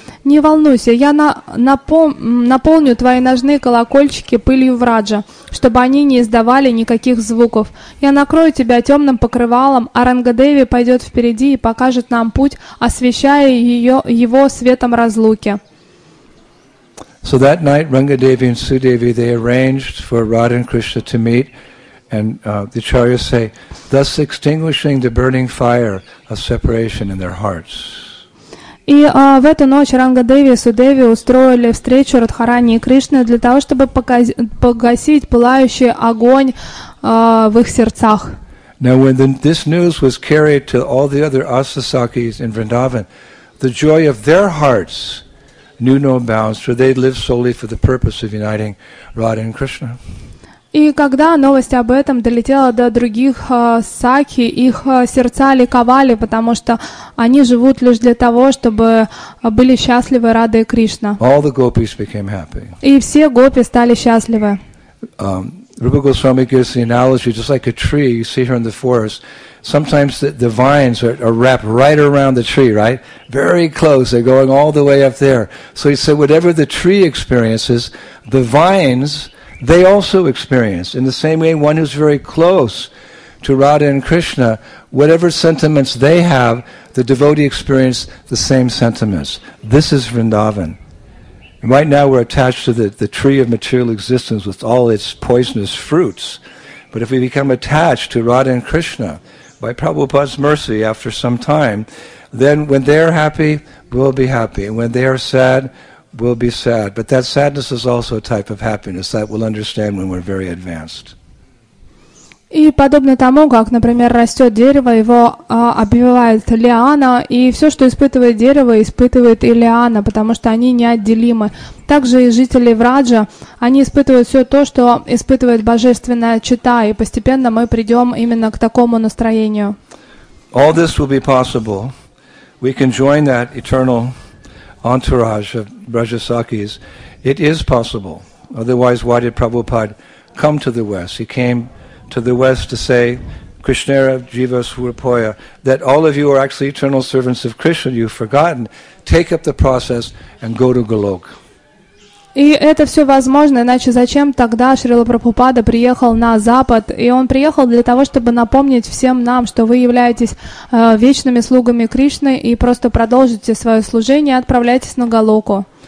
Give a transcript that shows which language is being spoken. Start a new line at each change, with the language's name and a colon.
Russian: Не волнуйся, я наполню твои ножные колокольчики пылью враджа, чтобы они не издавали никаких звуков. Я накрою тебя темным покрывалом, а Рангадеви пойдет впереди и покажет нам путь, освещая его светом разлуки.
English: So that night Rangadevi and Sudevi, they arranged for Radha and Krishna to meet, and the acharyas say, thus extinguishing the burning fire of separation in their hearts.
Russian: И в эту ночь Рангадеви и Судеви устроили встречу Радхарани и Кришны для того, чтобы погасить пылающий огонь в их сердцах.
English: Now when this news was carried to all the other asasakis in Vrindavan, the joy of their hearts knew no bounds, for they lived solely for the purpose of uniting Radha and Krishna.
Russian: И когда новость об этом долетела до других сакхи, их сердца ликовали, потому что они живут лишь для того, чтобы были счастливы Рада и Кришна.
English: All the gopis became happy.
Russian: И все гопи стали счастливы.
English: Rupa Goswami gives the analogy, just like a tree, you see here in the forest, sometimes the vines are wrapped right around the tree, right? Very close, they're going all the way up there. So he said, whatever the tree experiences, the vines they also experience. In the same way, one who's very close to Radha and Krishna, whatever sentiments they have, the devotee experience the same sentiments. This is Vrindavan. And right now we're attached to the tree of material existence with all its poisonous fruits. But if we become attached to Radha and Krishna, by Prabhupada's mercy after some time, then when they're happy, we'll be happy. And when they are sad, will be sad, but that sadness is also a type of happiness that we'll understand when we're very advanced.
Russian: И подобно тому, как, например, растет дерево, его обвивает лиана, и все, что испытывает дерево, испытывает и лиана, потому что они неотделимы. Также и жители Враджа, они испытывают все то, что испытывает божественная чита, и постепенно мы придем именно к такому настроению.
English: All this will be possible. We can join that eternal entourage of Brajasakis. It is possible. Otherwise, why did Prabhupada come to the West? He came to the West to say,
Bangla: Krishnera, Jiva, Swarupoya,
English: that all of you are actually eternal servants of Krishna, you've forgotten. Take up the process and go to Golok.
Russian: И это все возможно, иначе зачем тогда Шрила Прабхупада приехал на Запад? И он приехал для того, чтобы напомнить всем нам, что вы являетесь вечными слугами Кришны и просто продолжите свое служение и отправляйтесь на Голоку.